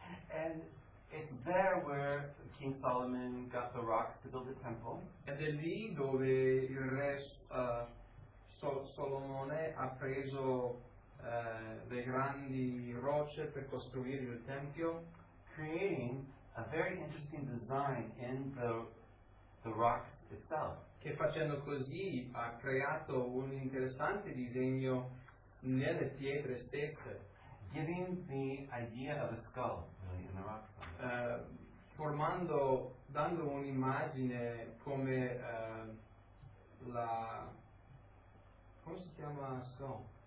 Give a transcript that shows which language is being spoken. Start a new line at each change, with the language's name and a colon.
English: And it's there where King Solomon got the rocks to build the temple.
Italian: Ed è lì dove il re Solomone ha preso le grandi rocce per costruire il tempio,
English: creating a very interesting design in the rocks itself.
Italian: Che facendo così ha creato un interessante disegno nelle pietre stesse,
English: giving the idea of a skull really in the rocks.
Italian: Dando un'immagine come la, come si chiama, skull?